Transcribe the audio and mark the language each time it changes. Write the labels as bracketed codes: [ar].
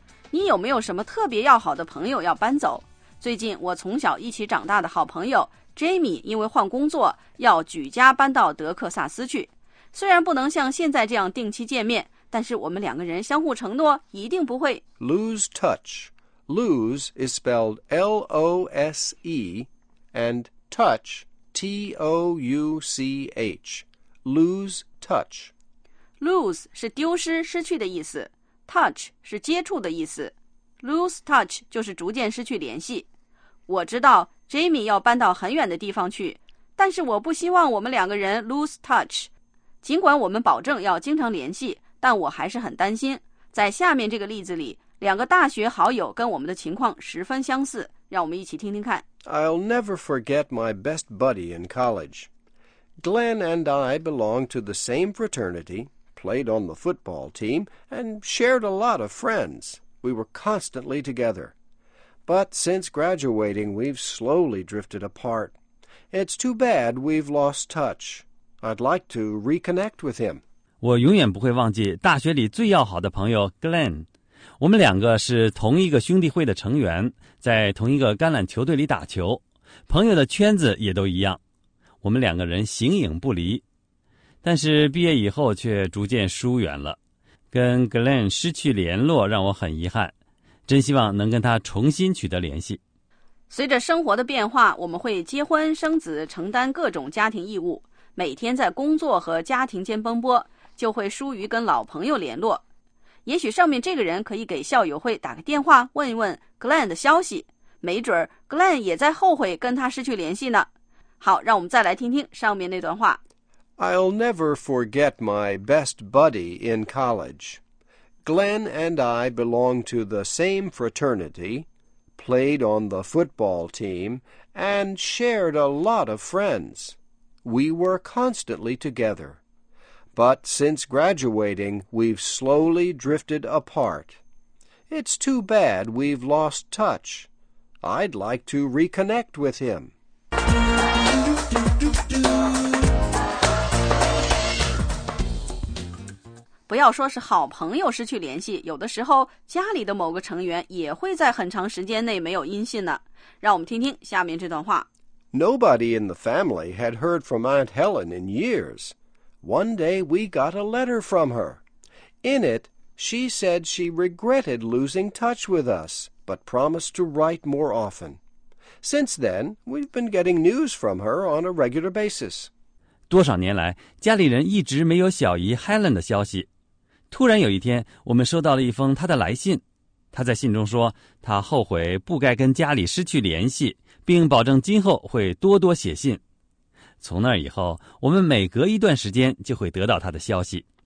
[zh] 你有没有什么特别要好的朋友要搬走？最近我从小一起长大的好朋友 Jamie 因为换工作要举家搬到德克萨斯去。虽然不能像现在这样定期见面，但是我们两个人相互承诺，一定不会 [en] lose touch。Lose is spelled L-O-S-E, and touch, T-O-U-C-H, lose touch. [zh] Lose 是丢失、失去的意思， touch 是接触的意思。 Lose touch 就是逐渐失去联系。我知道 Jamie 要搬到很远的地方去，但是我不希望我们两个人 lose touch。尽管我们保证要经常联系，但我还是很担心。在下面这个例子里，两个大学好友跟我们的情况十分相似，让我们一起听听看。 [en] I'll never forget my best buddy in college. Glenn and I belonged to the same fraternity, played on the football team, and shared a lot of friends. We were constantly together. But since graduating, we've slowly drifted apart. It's too bad we've lost touch. I'd like to reconnect with him. [zh] 我永远不会忘记大学里最要好的朋友 Glenn。我们两个是同一个兄弟会的成员，在同一个橄榄球队里打球，朋友的圈子也都一样，我们两个人形影不离，但是毕业以后却逐渐疏远了，跟 Glenn 失去联络让我很遗憾，真希望能跟他重新取得联系。随着生活的变化，我们会结婚生子，承担各种家庭义务，每天在工作和家庭间奔波，就会疏于跟老朋友联络。也许上面这个人可以给校友会打个电话，问一问 Glenn 的消息，没准 Glenn 也在后悔跟他失去联系呢。好，让我们再来听听上面那段话。 [en] I'll never forget my best buddy in college. Glenn and I belonged to the same fraternity, played on the football team, and shared a lot of friends. We were constantly together. But since graduating, we've slowly drifted apart. It's too bad we've lost touch. I'd like to reconnect with him. [zh] 不要说是好朋友失去联系，有的时候家里的某个成员也会在很长时间内没有音信呢。让我们听听下面这段话。 [en] Nobody in the family had heard from Aunt Helen in years. One day we got a letter from her. In it, she said she regretted losing touch with us, but promised to write more often. Since then, we've been getting news from her on a regular basis. [zh] 多少年来，家里人一直没有小姨 Helen 的消息。突然有一天，我们收到了一封她的来信。她在信中说，她后悔不该跟家里失去联系，并保证今后会多多写信。从那以后，我们每隔一段时间就会得到他的消息。